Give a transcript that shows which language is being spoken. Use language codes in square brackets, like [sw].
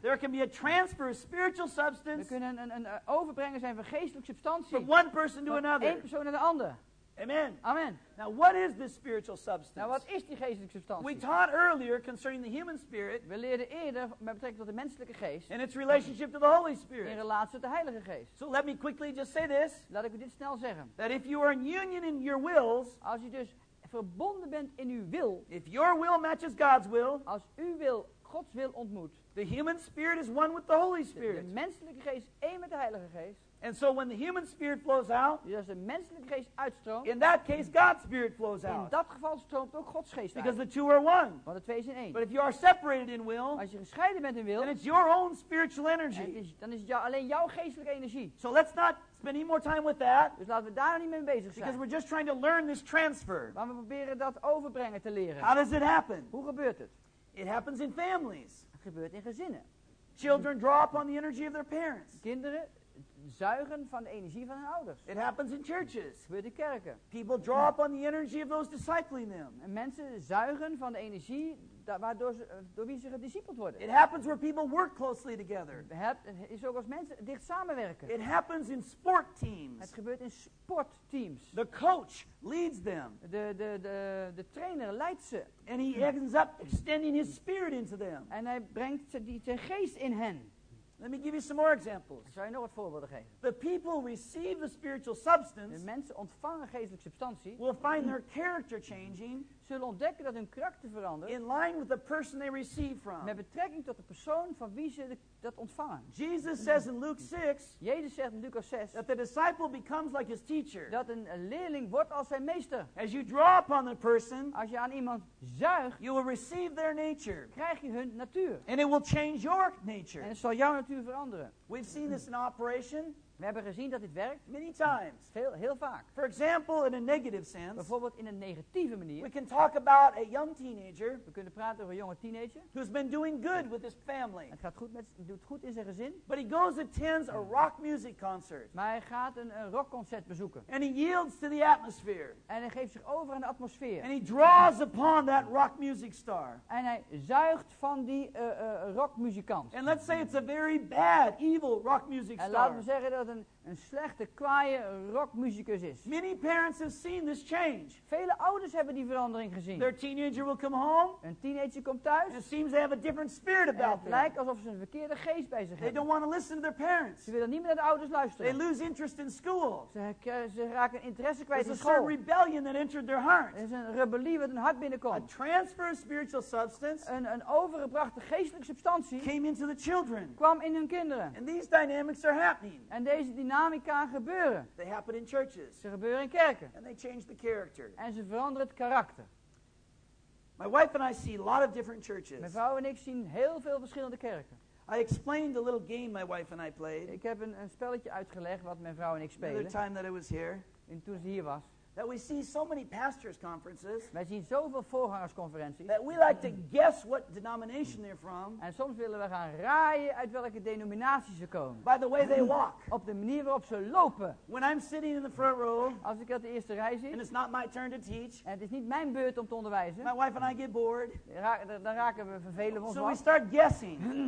[en] There can be a transfer of spiritual substance. [nl] We kunnen een overbrenger zijn van geestelijke substantie. [en] From one person to another. [nl] Van één persoon naar de ander. [en] Amen. [nl] Amen. [en] Now what is this spiritual substance? [nl] Nou, wat is die geestelijke substantie? [en] We taught earlier concerning the human spirit. [nl] We leerden eerder met betrekking tot de menselijke geest. [en] And its relationship to the Holy Spirit. [nl] In relatie tot de Heilige Geest. [en] So let me quickly just say this. [nl] Laat ik u dit snel zeggen. [en] That if you are in union in your wills. [nl] Als je dus verbonden bent in uw wil. [en] If your will matches God's will. [nl] Als uw wil Gods wil ontmoet. [en] The human spirit is one with the Holy Spirit. [nl] De menselijke geest één met de Heilige Geest. [en] And so when the human spirit flows out, [nl] dus als de menselijke geest uitstroomt, [en] in that case God's spirit flows out. [nl] In dat geval stroomt ook Gods geest [en] because [nl] uit. [en] Because the two are one. [nl] Want de twee zijn één. [en] But if you are separated in will, [nl] als je gescheiden bent in wil, [en] then it's your own spiritual energy. [nl] Dan is het alleen jouw geestelijke energie. [en] So let's not spend any more time with that. [nl] Dus laten we daar niet mee bezig zijn. [en] Because we're just trying to learn this transfer. [nl] Maar we proberen dat overbrengen te leren. [en] How does it happen? [nl] Hoe gebeurt het? [en] It happens in families. [nl] Het gebeurt in gezinnen. [en] Children draw upon the energy of their parents. [nl] Kinderen zuigen van de energie van hun ouders. [en] It happens in churches. [nl] Gebeurt in kerken. [en] People draw upon the energy of those discipling them. [nl] En mensen zuigen van de energie door wie ze gediscipeld worden. [en] It happens where people work closely together. [nl] Het is ook als mensen dicht samenwerken. [en] It happens in sport teams. [nl] Het gebeurt in sportteams. [en] The coach leads them. [nl] De trainer leidt ze. [en] And he ends up extending his spirit into them. [nl] En hij brengt zijn geest in hen. [en] Let me give you some more examples. [nl] Zou je nog wat voorbeelden geven? [en] The people receive the spiritual substance. [nl] De mensen ontvangen geestelijke substantie. [en] Will find their character changing. [nl] Zullen ontdekken dat hun karakter verandert. [en] In line with the person they receive from. [nl] Met betrekking tot de persoon van wie ze dat ontvangen. [en] Jesus says in Luke 6. [nl] Jezus zegt in Lucas 6. [en] That the disciple becomes like his teacher. [nl] Dat een leerling wordt als zijn meester. [en] As you draw upon the person. [nl] Als je aan iemand zuigt. [en] You will receive their nature. [nl] Krijg je hun natuur. [en] And it will change your nature. [nl] En het zal jouw natuur veranderen. [en] We've seen this in operation. [nl] We hebben gezien dat dit werkt. [en] Many times. [nl] Heel vaak. [en] For example, in a negative sense. [nl] Bijvoorbeeld in een negatieve manier. [en] We can talk about a young teenager. [nl] We kunnen praten over een jonge teenager. [en] Who's been doing good with his family. [nl] Het gaat goed doet goed in zijn gezin. [en] But he goes attends a rock music concert. [nl] Maar hij gaat een rockconcert bezoeken. [en] And he yields to the atmosphere. [nl] En hij geeft zich over aan de atmosfeer. [en] And he draws upon that rock music star. [nl] En hij zuigt van die rockmuzikant. [en] And let's say it's a very bad, evil rock music star. [nl] En laten we zeggen dat een slechte, kwaaie rockmuzikus is. [en] Many parents have seen this change. [nl] Vele ouders hebben die verandering gezien. [en] Their teenager will come home. [nl] Een teenager komt thuis. [en] And it seems they have a different spirit about them. [nl] Het lijkt alsof ze een verkeerde geest bij zich hebben. [en] They don't want to listen to their parents. [nl] Ze willen niet meer naar de ouders luisteren. They lose interest in school. Ze raken interesse kwijt [en] There's [nl] in school. [en] A certain rebellion that entered their heart. [nl] Er is een rebellie wat hun hart binnenkomt. [en] A transfer of spiritual substance. [nl] Een overgebrachte geestelijke substantie. [en] Came into the children. [nl] Kwam in hun kinderen. [en] And these dynamics are happening. [nl] En deze dynamica gebeuren. [en] They happen in churches. [nl] Ze gebeuren in kerken. [en] And they change the character. [nl] En ze veranderen het karakter. [en] My wife and I see a lot of different churches. [nl] Mijn vrouw en ik zien heel veel verschillende kerken. [en] I explained a little game my wife and I played. [nl] Ik heb een spelletje uitgelegd wat mijn vrouw en ik spelen. [en] The other time that I was here. [nl] En toen ze hier was. [en] That we see so many pastors conferences. [nl] Wij zien zoveel voorgangersconferenties. [en] That we like to guess what denomination they're from. [nl] En soms willen we gaan raaien uit welke denominatie ze komen. [en] By the way they walk. [nl] Op de manier waarop ze lopen. [en] When I'm sitting in the front row. [nl] Als ik op de eerste rij zit. [en] And it's not my turn to teach. [nl] En het is niet mijn beurt om te onderwijzen. [en] My wife and I get bored. [nl] Dan raken we vervelen ons [en] So we start guessing.